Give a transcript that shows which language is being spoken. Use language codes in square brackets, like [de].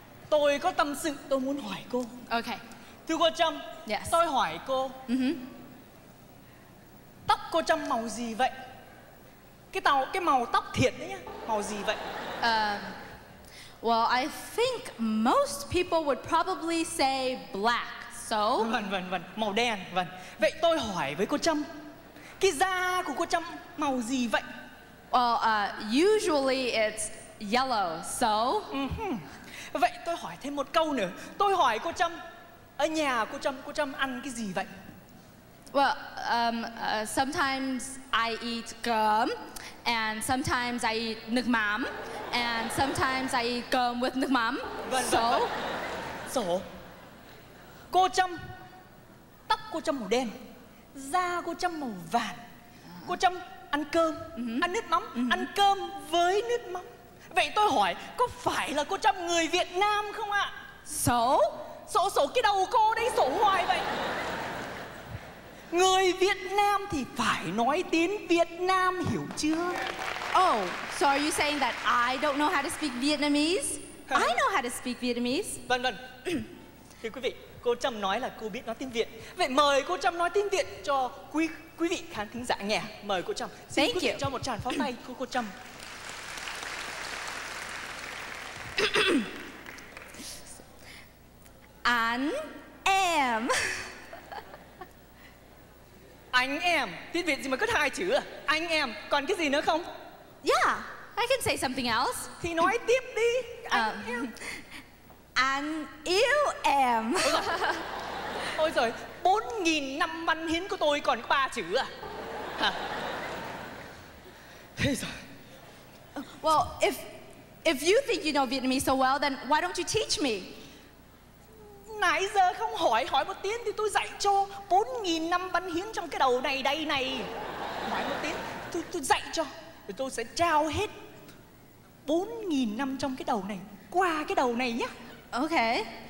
[vi] Tôi có tâm sự, tôi muốn hỏi cô. [en] Okay. [vi] Thưa cô Trâm. [en] Yes. [vi] Tôi hỏi cô. Tóc cô Trâm màu gì vậy? Cái màu tóc thiệt đấy nhá. Màu gì vậy? [en] Well, I think most people would probably say black. So. [vi] Vâng. Màu đen. Vâng. Vậy tôi hỏi với cô Trâm. Cái da của cô Trâm màu gì vậy? [en] Well, usually it's yellow, so... [vi] Vậy tôi hỏi thêm một câu nữa. Tôi hỏi cô Trâm, ở nhà cô Trâm ăn cái gì vậy? [en] Well, sometimes I eat cơm, and sometimes I eat nước mắm, and sometimes I eat cơm with nước mắm, so... [vi] Cô Trâm, tóc cô Trâm màu đen, da cô Trâm màu vàng, cô Trâm... ăn cơm, ăn nước mắm, ăn cơm với nước mắm. Vậy tôi hỏi, có phải là cô Trâm người Việt Nam không ạ? Sổ? Sổ sổ cái đầu cô đấy, sổ hoài vậy. Người Việt Nam thì phải nói tiếng Việt Nam, hiểu chưa? [en] Oh, so are you saying that I don't know how to speak Vietnamese? I know how to speak Vietnamese. [vi] Vâng, vâng. Thưa quý vị, cô Trâm nói là cô biết nói tiếng Việt. Vậy mời cô Trâm nói tiếng Việt cho quý quý vị khán thính giả nghe. Mời cô Trâm. Xin [en] thank [vi] quý [en] you. [vi] Vị cho một tràng pháo tay cô Trâm. Anh em Anh em, tiếng Việt gì mà cứ hai chữ à? Anh em, còn cái gì nữa không? [en] Yeah, I can say something else. [vi] Thì nói tiếp đi, anh em. Anh yêu em. Ôi giời, 4.000 năm văn hiến của tôi còn có 3 chữ à? Thế giời. [en] Well, if you think you know Vietnamese so well, then why don't you teach me? [vi] Nãy giờ không hỏi, hỏi một tiếng thì tôi dạy cho 4.000 năm văn hiến trong cái đầu này đây này. Hỏi một tiếng, tôi dạy cho, rồi tôi sẽ trao hết 4.000 năm trong cái đầu này qua cái đầu này nhá. [en] Okay.